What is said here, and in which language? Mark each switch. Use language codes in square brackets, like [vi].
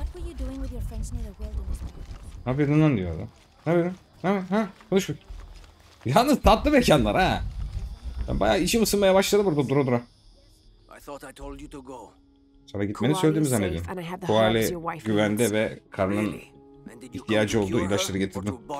[en] you doing with your friends near the wilderness? [tr] Ne yapıyordun lan diyor adam. Ne yapıyordun? Ne yapıyordun? Ha? Konuş. Yalnız tatlı mekanlar ha. Ben bayağı içim ısınmaya başladı burada dura dura. [en] I thought I told you to go. [tr] Sana gitmeni söylediğimi zannediyorum. Kuali güvende ve karının ihtiyacı olduğu ilaçları getirdim.